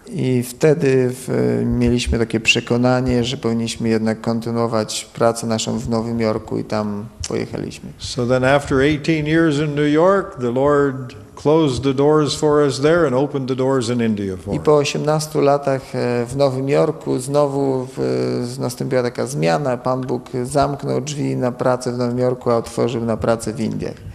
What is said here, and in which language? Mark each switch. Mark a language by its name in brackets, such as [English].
[Polish] I wtedy mieliśmy takie przekonanie, że powinniśmy jednak kontynuować pracę naszą w Nowym Jorku i tam pojechaliśmy. [English] So then after 18 years in New York, the Lord closed the doors for us there and opened the doors in India for us. [Polish] I po 18 latach w Nowym Jorku znowu nastąpiła taka zmiana. Pan Bóg zamknął drzwi na pracę w Nowym Jorku, a otworzył na pracę w Indiach.